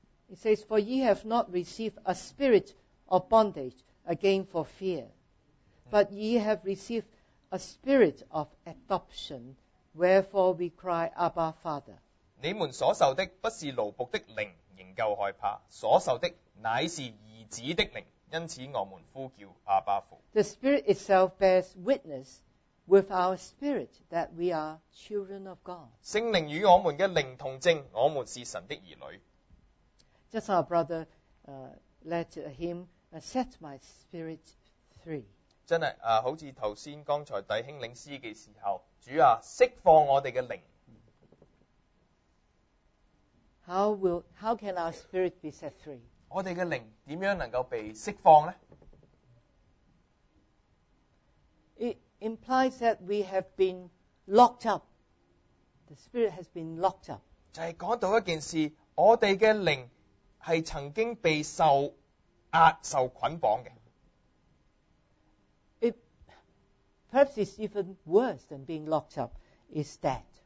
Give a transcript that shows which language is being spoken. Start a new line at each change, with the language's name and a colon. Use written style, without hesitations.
English: It says, "For ye have not received a spirit of bondage again for fear, but ye have received a spirit of adoption, wherefore we cry, Abba, Father."
Chinese: 你们所受的不是奴仆的灵仍旧害怕, 所受的乃是儿子的灵, 因此我们呼叫阿爸父.
English: The Spirit itself bears witness with our spirit that we are children of God.
Chinese: 圣灵与我们的灵同证, 我们是神的儿女.
English: Just our brother let him set my spirit free.
Chinese: 真的, 好像刚才弟兄领诗的时候, 主啊, 释放我们的灵.
English: How can our spirit be set free?
Chinese: 我们的灵怎样能够被释放呢?
English: It implies that we have been locked up. The spirit has been locked up.
Chinese: 就是讲到一件事, 我们的灵 是曾经被受压、受捆绑的。
English: It perhaps is even worse than being locked up, is that.